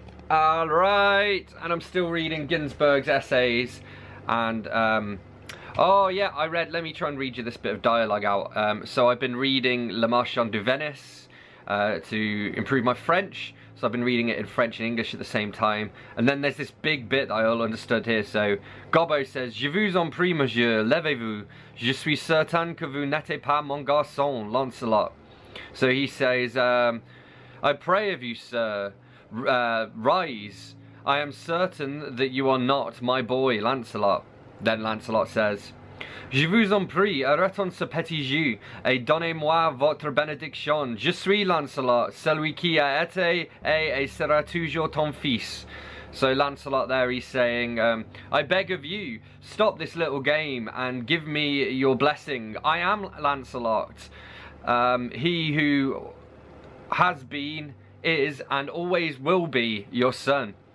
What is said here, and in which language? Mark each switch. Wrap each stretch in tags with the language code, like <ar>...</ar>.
<en>All right, and I'm still reading Ginsberg's essays, and let me try and read you this bit of dialogue out. So I've been reading Le Marchand de Venice to improve my French, so I've been reading it in French and English at the same time. And then there's this big bit that I all understood here. So Gobbo says,</en> <fr>je vous en prie monsieur, levez-vous, je suis certain que vous n'êtes pas mon garçon, Lancelot.</fr> <en>So he says, I pray of you, sir, rise. I am certain that you are not my boy, Lancelot. Then Lancelot says,</en> <fr>je vous en prie, arrêtons ce petit jeu et donnez-moi votre bénédiction. Je suis Lancelot, celui qui a été et sera toujours ton fils.</fr> <en>So Lancelot there, he's saying, I beg of you, stop this little game and give me your blessing. I am Lancelot, he who has been, is, and always will be your son.</en>